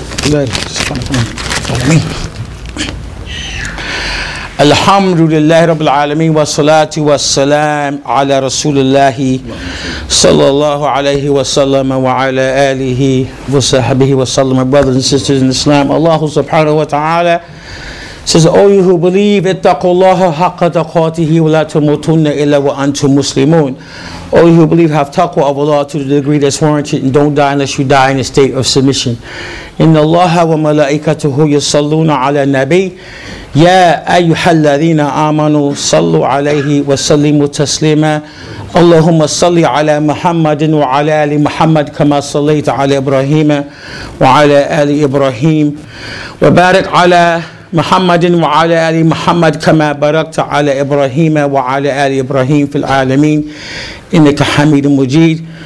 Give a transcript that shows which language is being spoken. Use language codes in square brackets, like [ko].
[ar] ربنا اغفر الحمد لله رب العالمين والصلاة والسلام على رسول الله صلى الله عليه وسلم وعلى آله وصحبه وسلم. [en] My brothers and sisters in Islam, Allah subhanahu wa ta'ala says, O you who believe, [ar] اتقوا الله حق تقاته ولا تموتن إلا وأنتم مسلمون. [en] O you who believe, have taqwa of Allah to the degree that's warranted, and don't die unless you die in a state of submission. [ar] إن الله وملائكته يصلون على النبي يا أيها الذين آمنوا صلوا عليه وسلموا تسليما اللهم صل على محمد وعلى آل محمد كما صليت على إبراهيم وعلى آل إبراهيم وبارك على محمد وعلى آل محمد كما باركت على إبراهيم وعلى آل إبراهيم في العالمين إنك حميد مجيد.